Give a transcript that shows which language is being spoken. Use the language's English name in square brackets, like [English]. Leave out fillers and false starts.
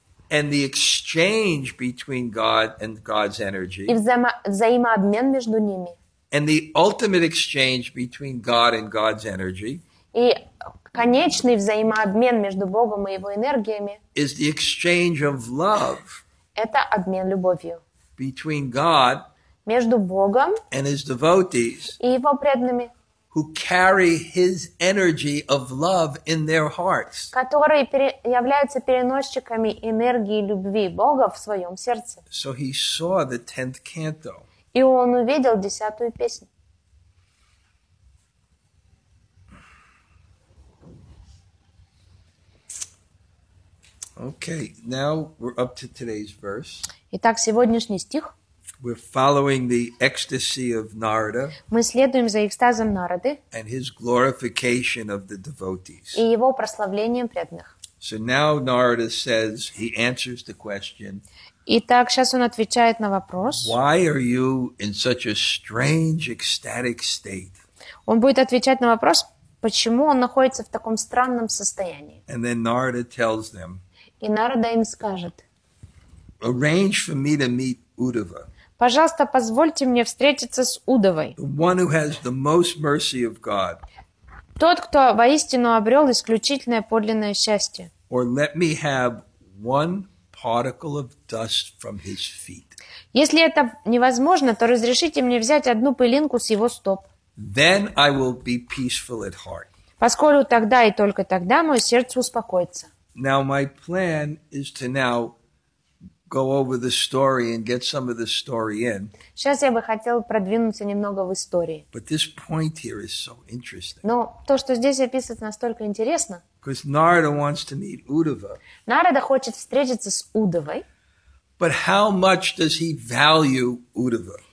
[English] And the exchange between God and God's energy. [Russian] И взаимообмен между ними. [English] And the ultimate exchange between God and God's energy. [Russian] И конечный взаимообмен между Богом и Его энергиями [English] is the exchange of love [Russian] это обмен любовью [English] between God [Russian] между Богом [English] and his devotees, [Russian] и Его преданными [English] who carry his energy of love in their hearts. [Russian] Которые являются переносчиками энергии любви Бога в своем сердце. [English] So he saw the tenth canto. [Russian] И он увидел десятую песню. [English] Okay, now we're up to today's verse. [Russian] Итак, сегодняшний стих. [English] We're following the ecstasy of Narada. [Russian] Мы следуем за экстазом Нарады. [English] And his glorification of the devotees. [Russian] И его прославлением преданных. [English] So now Narada says, he answers the question. [Russian] Итак, сейчас он отвечает на вопрос. [English] Why are you in such a strange ecstatic state? [Russian] Он будет отвечать на вопрос, почему он находится в таком странном состоянии. [English] And then Narada tells them, [Russian] и Нарада им скажет, [English] arrange for me to meet Uddhava. [Russian] Пожалуйста, позвольте мне встретиться с Уддхавой. [English] The one who has the most mercy of God. [Russian] Тот, кто воистину обрел исключительное подлинное счастье. [English] Or let me have one particle of dust from his feet. [Russian] Если это невозможно, то разрешите мне взять одну пылинку с его стоп. [English] Then I will be peaceful at heart. [Russian] Поскольку тогда и только тогда мое сердце успокоится. [English] Now my plan is to now go over the story and get some of the story in. [Russian] Сейчас я бы хотел продвинуться немного в истории. [English] But this point here is so interesting. [Russian] Но то, что здесь описывается, настолько интересно. [English] Because Narada wants to meet Uddhava. [Russian] Нарада хочет встретиться с Уддхавой. [English] But how much does he value Uddhava?